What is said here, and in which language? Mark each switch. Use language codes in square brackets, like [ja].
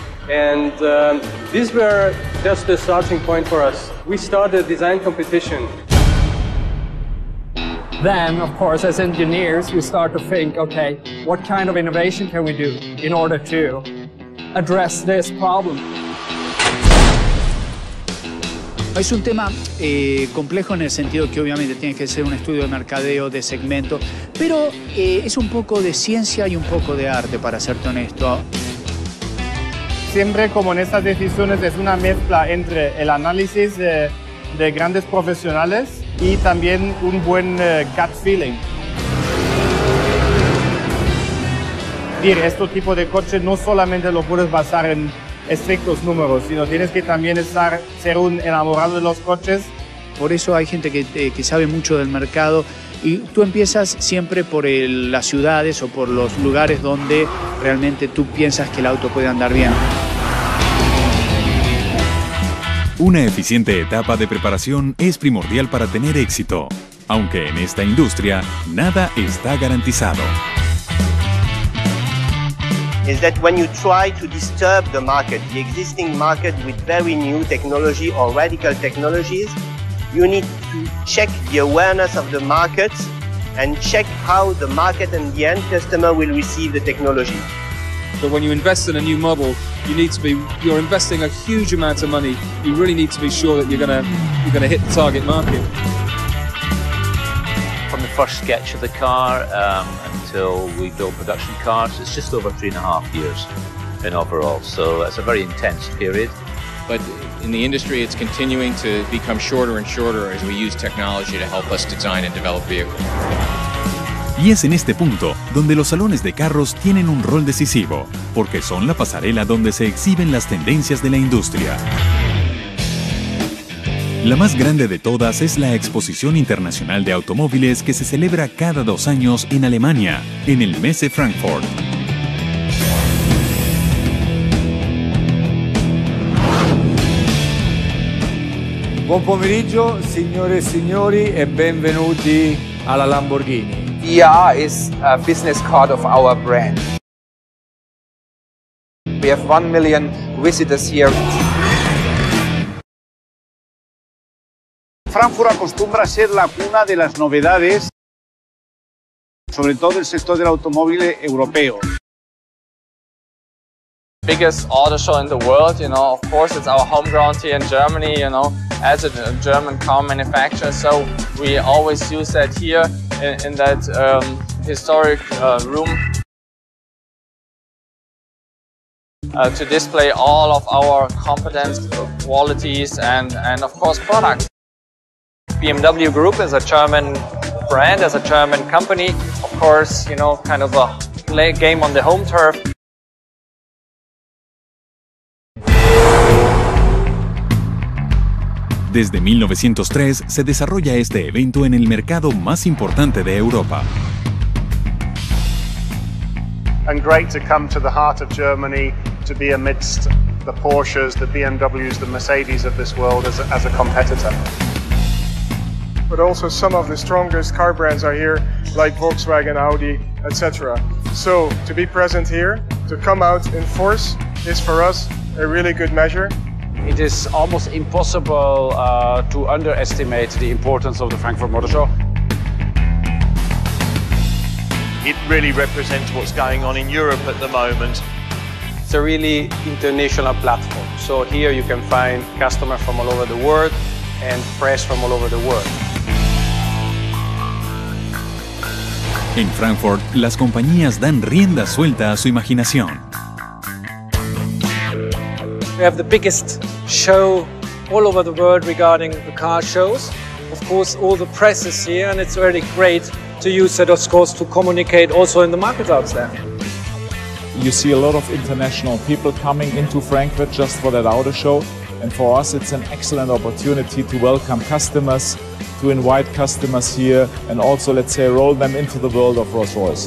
[en] And these were just the starting point for us. We started a design competition. Then, of course, as engineers, we start to think, okay, what kind of innovation can we do in order to address this problem? [es] Es un tema complejo en el sentido que obviamente tiene que ser un estudio de mercadeo, de segmento, pero es un poco de ciencia y un poco de arte, para serte honesto. Siempre como en estas decisiones es una mezcla entre el análisis de grandes profesionales y también un buen [en] gut feeling. [es] Dir, este tipo de coche no solamente lo puedes basar en estrictos números, sino tienes que también ser un enamorado de los coches. Por eso hay gente que sabe mucho del mercado y tú empiezas siempre por las ciudades o por los lugares donde realmente tú piensas que el auto puede andar bien. Una eficiente etapa de preparación es primordial para tener éxito, aunque en esta industria nada está garantizado. [en] Is that when you try to disturb the market, the existing market with very new technology or radical technologies, you need to check the awareness of the market and check how the market and the end customer will receive the technology. So when you invest in a new model, you're investing a huge amount of money. You really need to be sure that you're gonna hit the target market. From the first sketch of the car until we build production cars, it's just over 3.5 years in overall. So that's a very intense period. But in the industry, it's continuing to become shorter and shorter as we use technology to help us design and develop vehicles. [es] Y es en este punto donde los salones de carros tienen un rol decisivo, porque son la pasarela donde se exhiben las tendencias de la industria. La más grande de todas es la Exposición Internacional de Automóviles, que se celebra cada 2 años en Alemania, en el Messe Frankfurt. [it] Buon pomeriggio, signore e signori, e benvenuti alla Lamborghini. [en] VR is a business card of our brand. We have 1 million visitors here. [es] Frankfurt acostumbra a ser la cuna de las novedades, sobre todo el sector del automóvil europeo. [en] Biggest auto show in the world, you know. Of course, it's our home ground here in Germany, you know, as a German car manufacturer. So we always use that here in that historic room to display all of our competence, qualities, and of course, products. BMW Group is a German brand, as a German company. Of course, you know, kind of a play game on the home turf. [es] Desde 1903 se desarrolla este evento en el mercado más importante de Europa. [en] And great to come to the heart of Germany, to be amidst the Porsches, the BMWs, the Mercedes of this world as a competitor. But also some of the strongest car brands are here, like Volkswagen, Audi, etc. So to be present here, to come out in force, is for us a really good measure. It is almost impossible to underestimate the importance of the Frankfurt Motor Show. It really represents what's going on in Europe at the moment. It's a really international platform. So here you can find customers from all over the world and press from all over the world. [es] In Frankfurt, las compañías dan rienda suelta a su imaginación. [en] We have the biggest show all over the world regarding the car shows. Of course, all the press is here, and it's really great to use that, of course, to communicate also in the market out there. You see a lot of international people coming into Frankfurt just for that auto show, and for us it's an excellent opportunity to welcome customers, to invite customers here, and also, let's say, roll them into the world of Rolls-Royce.